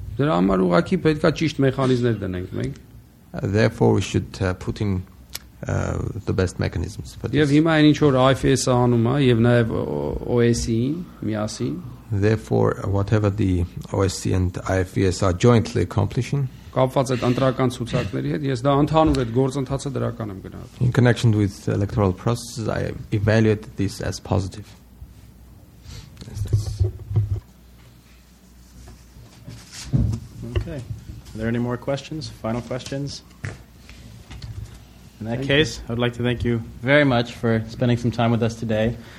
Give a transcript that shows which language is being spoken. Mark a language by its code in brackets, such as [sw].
[hy] Դրա համար ուղղակի պետք է ճիշտ մեխանիզմներ դնենք մենք. [en] Therefore we should put in the best mechanisms for this. [hy] Եվ հիմա այն ինչ որ IFS-ը անում է եւ նաեւ OSCE-ին միասին. [en] Therefore whatever the OSCE and IFS are jointly accomplishing. [hy] Կապված այդ ընտրական ցուցակների հետ ես դա ընդհանուր այդ գործընթացը դրական եմ գնահատում. [en] In connection with electoral processes I evaluate this as positive. Okay. Are there any more questions? Final questions? In that case, I would like to thank you very much for spending some time with us today.